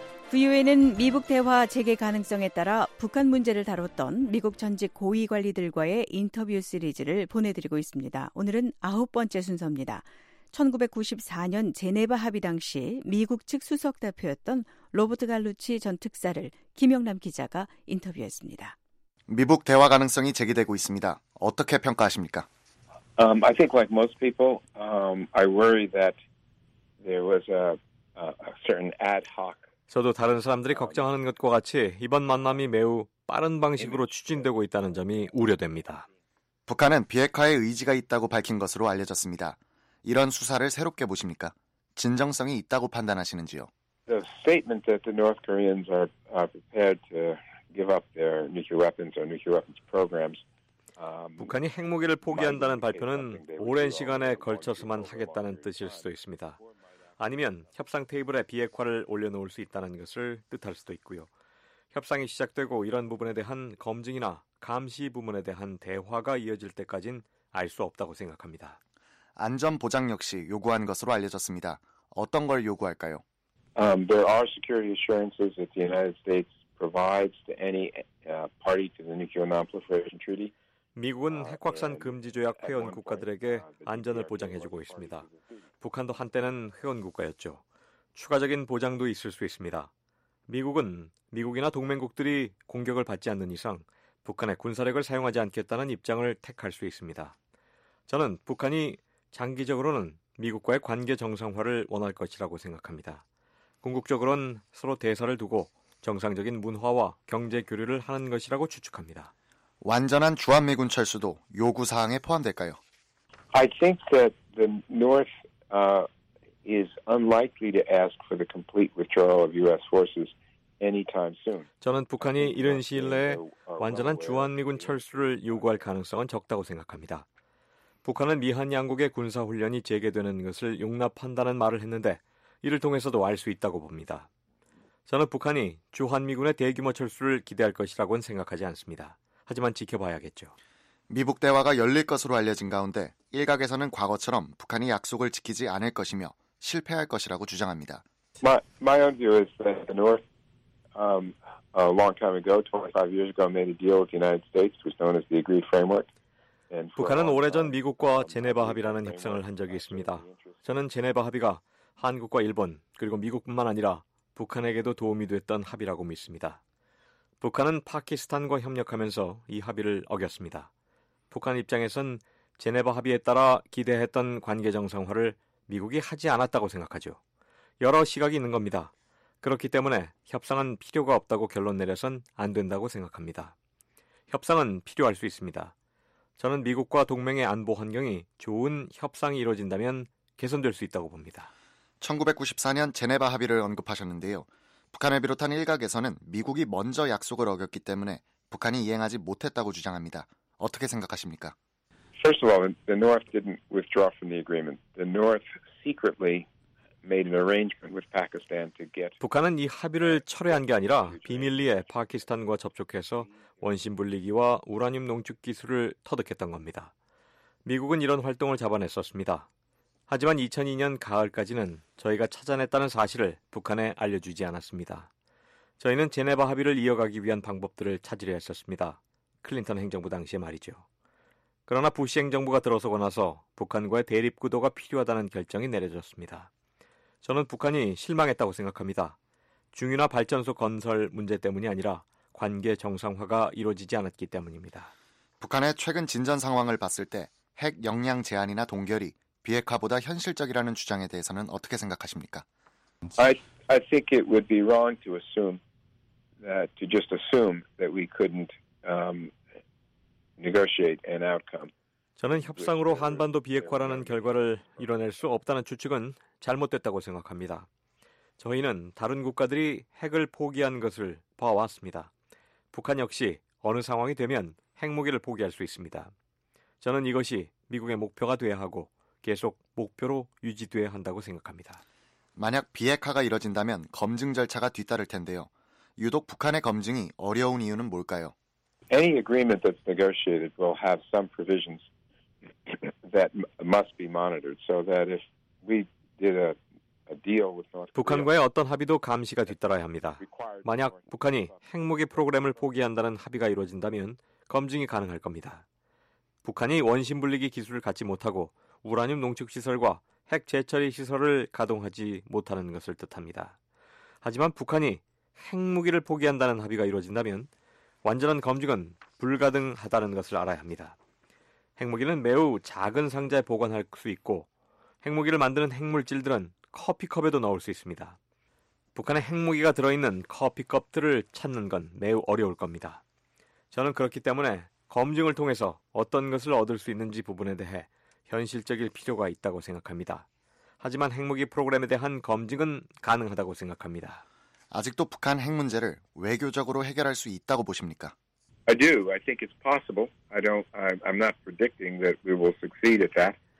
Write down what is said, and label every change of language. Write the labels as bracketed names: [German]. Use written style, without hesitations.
[Korean] 부유에는 미북 대화 재개 가능성에 따라 북한 문제를 다뤘던 미국 전직 고위 관리들과의 인터뷰 시리즈를 보내드리고 있습니다. 오늘은 아홉 번째 순서입니다. 1994년 제네바 합의 당시 미국 측 수석 대표였던 로버트 갈루치 전 특사를 김영남 기자가 인터뷰했습니다. 미북 대화 가능성이 제기되고 있습니다. 어떻게 평가하십니까? [English] I think like most people, I worry that there was a certain ad hoc. [Korean] 저도 다른 사람들이 걱정하는 것과 같이 이번 만남이 매우 빠른 방식으로 추진되고 있다는 점이 우려됩니다. 북한은 비핵화의 의지가 있다고 밝힌 것으로 알려졌습니다. 이런 수사를 새롭게 보십니까? 진정성이 있다고 판단하시는지요? [English] The statement that the North Koreans are prepared to give up their nuclear weapons or nuclear weapons programs. [Korean] 북한이 핵무기를 포기한다는 발표는 오랜 시간에 걸쳐서만 하겠다는 뜻일 수도 있습니다. 아니면 협상 테이블에 비핵화를 올려놓을 수 있다는 것을 뜻할 수도 있고요. 협상이 시작되고 이런 부분에 대한 검증이나 감시 부분에 대한 대화가 이어질 때까지는 알 수 없다고 생각합니다. 안전 보장 역시 요구한 것으로 알려졌습니다. 어떤 걸 요구할까요? [English] There are security assurances that the United States provides to any party to the Nuclear Non-Proliferation Treaty. [Korean] 미국은 핵확산 금지 조약 회원 국가들에게 안전을 보장해주고 있습니다. 북한도 한때는 회원 국가였죠. 추가적인 보장도 있을 수 있습니다. 미국은 미국이나 동맹국들이 공격을 받지 않는 이상 북한의 군사력을 사용하지 않겠다는 입장을 택할 수 있습니다. 저는 북한이 장기적으로는 미국과의 관계 정상화를 원할 것이라고 생각합니다. 궁극적으로는 서로 대사를 두고 정상적인 문화와 경제 교류를 하는 것이라고 추측합니다. 완전한 주한미군 철수도 요구 사항에 포함될까요? [English] I think that the North is unlikely to ask for the complete withdrawal of U.S. forces anytime soon. [Korean] 저는 북한이 이른 시일 내에 완전한 주한미군 철수를 요구할 가능성은 적다고 생각합니다. 북한은 미한 양국의 군사 훈련이 재개되는 것을 용납한다는 말을 했는데 이를 통해서도 알 수 있다고 봅니다. 저는 북한이 주한미군의 대규모 철수를 기대할 것이라고는 생각하지 않습니다. 하지만 지켜봐야겠죠. 미북 대화가 열릴 것으로 알려진 가운데 일각에서는 과거처럼 북한이 약속을 지키지 않을 것이며 실패할 것이라고 주장합니다. [English] My own view is that the North, a long time ago, 25 years ago, made a deal with the United States, which is known as the Agreed Framework. [Korean] 북한은 오래전 미국과 제네바 합의라는 협상을 한 적이 있습니다. 저는 제네바 합의가 한국과 일본 그리고 미국뿐만 아니라 북한에게도 도움이 됐던 합의라고 믿습니다. 북한은 파키스탄과 협력하면서 이 합의를 어겼습니다. 북한 입장에선 제네바 합의에 따라 기대했던 관계 정상화를 미국이 하지 않았다고 생각하죠. 여러 시각이 있는 겁니다. 그렇기 때문에 협상은 필요가 없다고 결론 내려선 안 된다고 생각합니다. 협상은 필요할 수 있습니다. 저는 미국과 동맹의 안보 환경이 좋은 협상이 이루어진다면 개선될 수 있다고 봅니다. 1994년 제네바 합의를 언급하셨는데요. 북한을 비롯한 일각에서는 미국이 먼저 약속을 어겼기 때문에 북한이 이행하지 못했다고 주장합니다. 어떻게 생각하십니까? [English] First of all, the North didn't withdraw from the agreement. The North secretly made an arrangement with Pakistan to get [Korean] 북한은 이 합의를 철회한 게 아니라 비밀리에 파키스탄과 접촉해서 원심불리기와 우라늄 농축 기술을 터득했던 겁니다. 미국은 이런 활동을 잡아냈었습니다. 하지만 2002년 가을까지는 저희가 찾아냈다는 사실을 북한에 알려주지 않았습니다. 저희는 제네바 합의를 이어가기 위한 방법들을 찾으려 했었습니다. 클린턴 행정부 당시에 말이죠. 그러나 부시 행정부가 들어서고 나서 북한과의 대립 구도가 필요하다는 결정이 내려졌습니다. 저는 북한이 실망했다고 생각합니다. 중유나 발전소 건설 문제 때문이 아니라 관계 정상화가 이루어지지 않았기 때문입니다. 북한의 최근 진전 상황을 봤을 때 핵 역량 제한이나 동결이 비핵화보다 현실적이라는 주장에 대해서는 어떻게 생각하십니까? [English] I think it would be wrong to assume that to just assume that we couldn't negotiate an outcome. [Korean] 저는 협상으로 한반도 비핵화라는 결과를 이뤄낼 수 없다는 추측은 잘못됐다고 생각합니다. 저희는 다른 국가들이 핵을 포기한 것을 봐왔습니다. 북한 역시 어느 상황이 되면 핵무기를 포기할 수 있습니다. 저는 이것이 미국의 목표가 돼야 하고 계속 목표로 유지돼야 한다고 생각합니다. 만약 비핵화가 이뤄진다면 검증 절차가 뒤따를 텐데요. 유독 북한의 검증이 어려운 이유는 뭘까요? [English] Any agreement that's negotiated will have some provisions that must be monitored so that if we did a [Korean] 북한과의 어떤 합의도 감시가 뒤따라야 합니다. 만약 북한이 핵무기 프로그램을 포기한다는 합의가 이루어진다면 검증이 가능할 겁니다. 북한이 원심불리기 기술을 갖지 못하고 우라늄 농축시설과 핵재처리 시설을 가동하지 못하는 것을 뜻합니다. 하지만 북한이 핵무기를 포기한다는 합의가 이루어진다면 완전한 검증은 불가능하다는 것을 알아야 합니다. 핵무기는 매우 작은 상자에 보관할 수 있고 핵무기를 만드는 핵물질들은 커피컵에도 넣을 수 있습니다. 북한의 핵무기가 들어있는 커피컵들을 찾는 건 매우 어려울 겁니다. 저는 그렇기 때문에 검증을 통해서 어떤 것을 얻을 수 있는지 부분에 대해 현실적일 필요가 있다고 생각합니다. 하지만 핵무기 프로그램에 대한 검증은 가능하다고 생각합니다. 아직도 북한 핵 문제를 외교적으로 해결할 수 있다고 보십니까? [English] I do. I think it's possible. I'm not predicting that we will succeed at that.